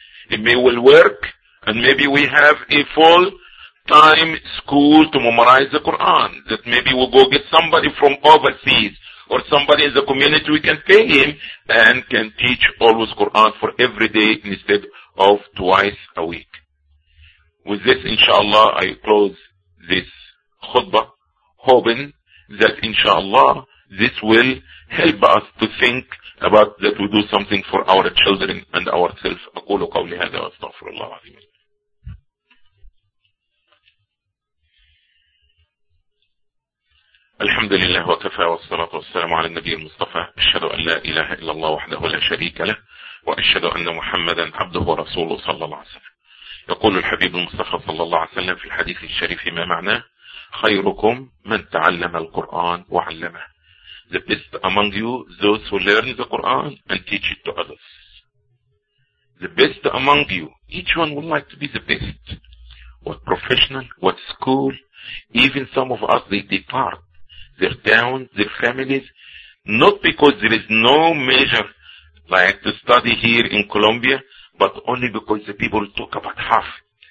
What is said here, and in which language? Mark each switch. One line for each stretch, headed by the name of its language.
English: It may well work, and maybe we have a full time school to memorize the Quran, that maybe we'll go get somebody from overseas, or somebody in the community we can pay him, and can teach always Quran for every day instead of twice a week. With this, inshallah, I close this khutbah, hoping that, inshallah, this will help us to think about that we do something for our children and ourselves.
Arabic: أقول قولي هذا وأستغفر الله العظيم. الحمد لله وكفى والصلاة والسلام على النبي المصطفى. أشهد أن لا إله إلا الله وحده لا شريك له. وأشهد أن محمدا عبده ورسوله صلى الله عليه وسلم. يقول الحبيب المصطفى صلى الله عليه وسلم في الحديث الشريف ما معناه خيركم من تعلم القرآن وعلمه.
English: The best among you those who learn the Quran and teach it to others. The best among you, each one would like to be the best. What professional, what school, even some of us they depart their towns, their families, not because there is no measure like to study here in Colombia, but only because the people talk about Hafid.